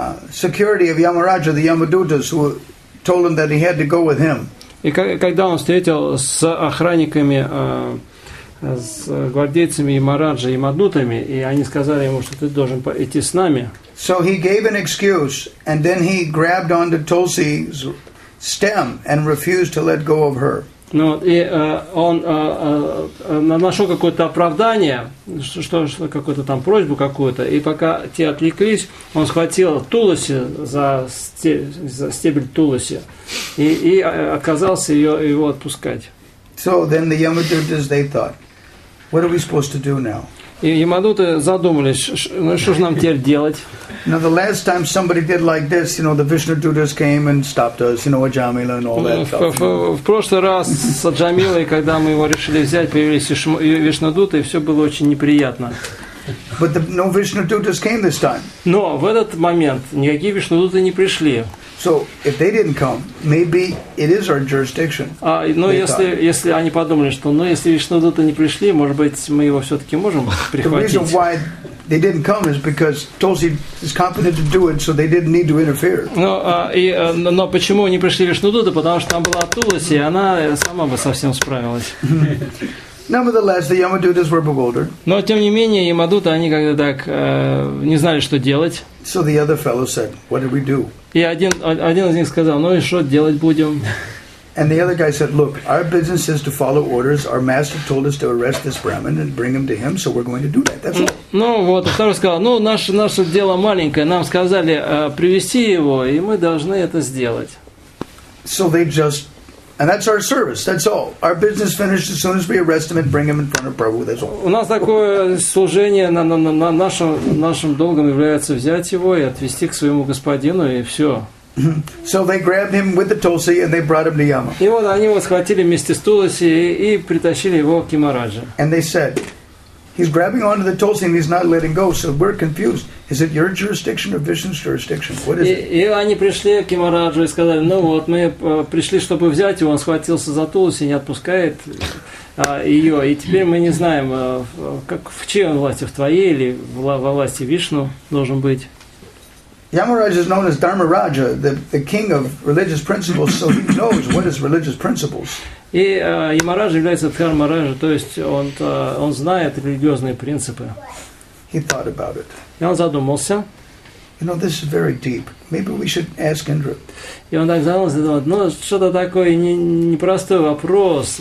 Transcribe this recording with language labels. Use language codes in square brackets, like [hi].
[en] security of Yamaraja, the Yamadutas, who told him that he had to go with him. [ru] И когда он встретил с охранниками, с гвардейцами Ямараджа и Мадутами, и они сказали ему, что ты должен идти с нами. [en] So he gave an excuse, and then he grabbed onto Tulsi's stem and refused to let go of her. [ru] Ну, и он нашел какое-то оправдание, что какую-то там просьбу какую-то, и пока те отвлеклись, он схватил Туласи за стебель Туласи и отказался его отпускать. [en] So then the Yamadutas, they thought, what are we supposed to do now? [ru] И Ямадуты задумались, ну что же нам теперь делать? [en] Now the last time somebody did like this, you know, the Vishnudutas came and stopped us, you know, Аджамила and all that stuff. [ru] В прошлый раз с Аджамилой, когда мы его решили взять, появились Вишнудуты, и все было очень неприятно. [en] But no Vishnudutas came this time. [ru] Но в этот момент никакие Вишнудуты не пришли. [en] So if they didn't come, maybe it is our jurisdiction. [ru] Если они подумали, что, ну, если Вишнудуты не пришли, может быть, мы его все-таки можем прихватить. [en] The reason why they didn't come is because Tulsi is competent to do it, so they didn't need to interfere. [ru] Но почему не пришли Вишнудуты? Потому что там была Туласи, и она сама бы совсем справилась. [en] Nevertheless, the Yamadutas were bewildered. [ru] Но тем не менее Ямадуты они как-то так не знали, что делать. [en] So the other fellow said, "What do we do?" [ru] И один из них сказал, "Ну и что делать будем?" [en] And the other guy said, "Look, our business is to follow orders. Our master told us to arrest this Brahmin and bring him to him, so we're going to do that. That's all." [ru] Ну вот, второй сказал, "Ну наше дело маленькое. Нам сказали привести его, и мы должны это сделать." [en] So they just. And that's our service. That's all. Our business finished as soon as we arrest him and bring him in front of Prabhu. That's all. [ru] У нас такое служение на нашем долгом является взять его и отвести к своему господину и все. [en] So they grabbed him with the Tulsi and they brought him to Yama. [ru] И вот они его схватили вместе с Туласи и притащили его к Ямараджа. [en] And they said, "He's grabbing onto the Tulsi and he's not letting go. So we're confused. Is it your jurisdiction or Vishnu's jurisdiction? What is it?" [ru] И они пришли к Ямараджу и сказали, ну вот, мы пришли, чтобы взять его, он схватился за Туласи и не отпускает ее. И теперь мы не знаем, как, в чьей он власти, в твоей или во власти Вишну должен быть. [en] Yamaraj is known as Dharmaraja, the king of religious principles, so he knows what is religious principles. [ru] И Ямараджа является Дхармараджа, то есть он знает религиозные принципы. [en] He thought about it. [ru] И он задумался. [en] You know, this is very deep. Maybe we should ask Indra. [ru] И он так задумался, думает, ну, что-то такое непростой вопрос.